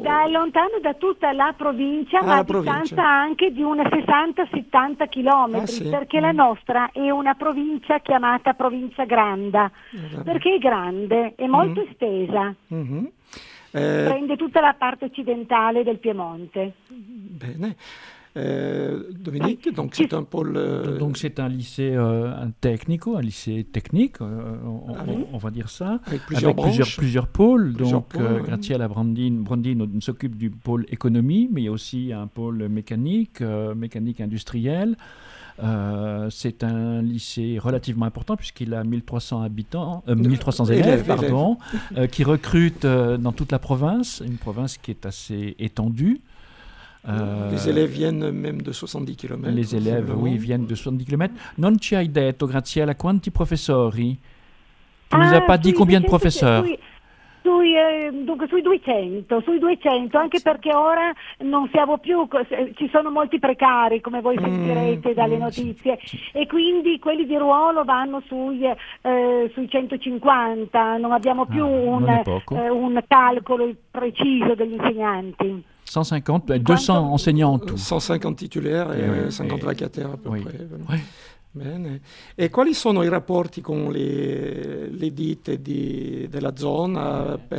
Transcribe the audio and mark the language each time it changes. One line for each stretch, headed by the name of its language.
Italian: Da lontano da tutta la provincia, ma a distanza anche di una 60-70 chilometri, perché la nostra è una provincia chiamata provincia Granda, perché è grande, è molto estesa, prende tutta la parte occidentale del Piemonte. Bene.
French: Dominique, donc c'est un pôle... Donc c'est un lycée technique, on va dire ça, avec plusieurs pôles. Donc Graziella Brandine s'occupe du pôle économie, mais il y a aussi un pôle mécanique industrielle. C'est un lycée relativement important puisqu'il a 1300 élèves. qui recrute dans toute la province, une province qui est assez étendue. Les élèves viennent même de 70 km. Les élèves, oui, viennent de 70 km.
Italian: Non ci hai detto, Graziella, quanti professori?
French: Tu nous as pas dit combien de professeurs?
Italian: Sui 200, anche perché ora non siamo più, ci sono molti precari, come voi sentirete dalle notizie, e quindi quelli di ruolo vanno sui 150, non abbiamo più un calcolo preciso degli insegnanti. 150, 200 insegnanti in tutto.
French: 150
Italian: titolari e
French: 50 vacataire a peu près. Oui.
Italian: Bene. E quali sono i rapporti con le ditte della zona?